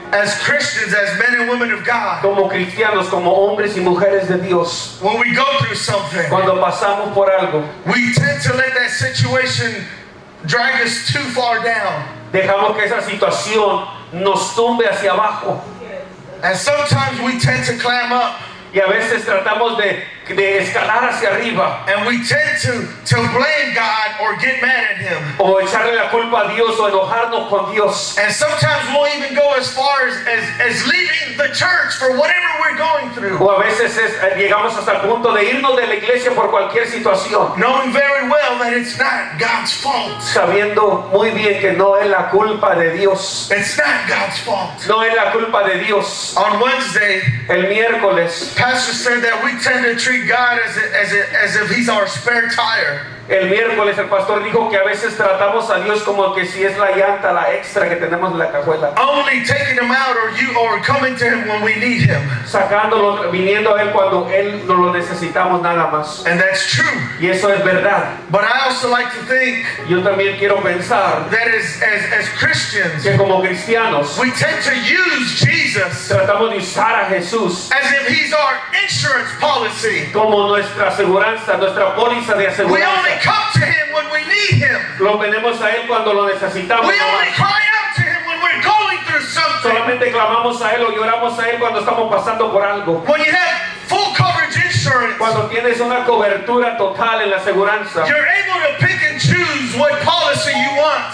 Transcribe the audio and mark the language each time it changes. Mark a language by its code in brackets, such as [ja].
[en] As Christians, as men and women of God. [es] Como cristianos, como hombres y mujeres de Dios. [en] When we go through something. [es] Cuando pasamos por algo. [en] We tend to let that situation drag us too far down. [es] Dejamos que esa situación nos tumbe hacia abajo. [en] And sometimes we tend to climb up. [es] Y a veces tratamos de de escalar hacia arriba. [en] And we tend to blame God or get mad at him. [es] O echarle la culpa a Dios o enojarnos con Dios. [en] And sometimes we'll even go as far as leaving the church for whatever we're going through. [es] O a veces llegamos hasta el punto de irnos de la iglesia por cualquier situación. [en] Knowing very well that it's not God's fault. [es] Sabiendo muy bien que no es la culpa de Dios. [en] It's not God's fault. [es] No es la culpa de Dios. [en] On Wednesday, [es] el miércoles, [en] pastor said that we tend to treat God as if he's our spare tire. [es] El miércoles el pastor dijo que a veces tratamos a Dios como que si es la llanta, la extra que tenemos en la cajuela. [en] Only taking him out or coming to him when we need him. [es] Sacándolo, viniendo a él cuando él no lo necesitamos nada más. [en] And that's true. [es] Y eso es verdad. [en] But I also like to think. [es] Yo también quiero pensar. [en] That as Christians. [es] Que como cristianos. [en] We tend to use Jesus. [es] Tratamos de usar a Jesús. [en] As if he's our insurance policy. [es] Como nuestra aseguranza, nuestra póliza de aseguranza. [en] We only come to him when we need him. [es] Lo venemos a él cuando lo necesitamos. [en] We only cry out to him when we're going through something. [es] Solamente clamamos a él o lloramos a él cuando estamos pasando por algo. [en] When you have full coverage insurance. [es] Cuando tienes una cobertura total en la aseguranza. [en] You're able to pick and choose what policy you want.